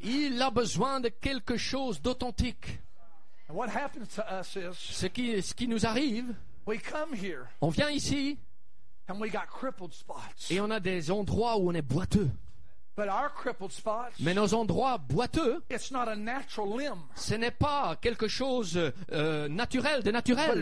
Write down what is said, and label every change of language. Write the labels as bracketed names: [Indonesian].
[French] Il a besoin de quelque chose d'authentique. [English] And what happens to us is, [French] ce qui nous arrive, [English] we come here, [French] on vient ici, [English] and we got crippled spots. [French] Et on a des endroits où on est boiteux. [English] But our crippled spots, [French] mais nos endroits boiteux, [English] it's not a natural limb, [French] ce n'est pas quelque chose naturel, de naturel.